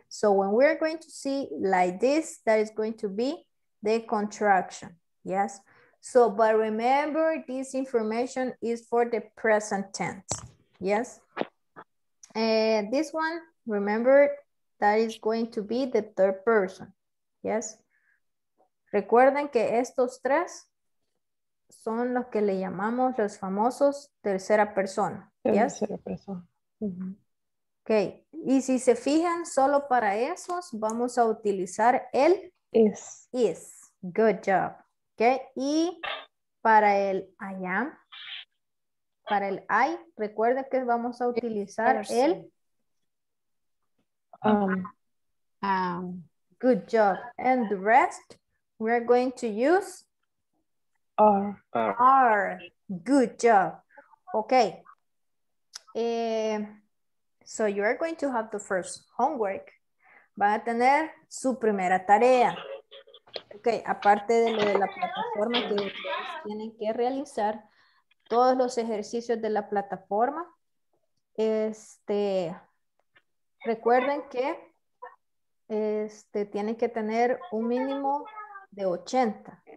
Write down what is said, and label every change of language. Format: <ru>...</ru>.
<en>So when we're going to see like this, that is going to be the contraction, yes? So, but remember this information is for the present tense, yes? And this one, remember that is going to be the third person, yes?</en> <es>Recuerden que estos tres son los que le llamamos los famosos tercera persona.</es> <en>Yes?</en> <es>Tercera persona. Mm-hmm. Okay. Y si se fijan, solo para esos vamos a utilizar el</es> <en>is. Good job.</en> <es>Okay. Y para el I am, para el I, recuerda que vamos a utilizar el.</es> <en>Good job. And the rest, we're going to use. Are. Good job. Okay. So you are going to have the first homework.</en> <es>Van a tener su primera tarea. Okay. Aparte de lo de la plataforma que ustedes tienen que realizar, todos los ejercicios de la plataforma, recuerden que tienen que tener un mínimo de 80.</es>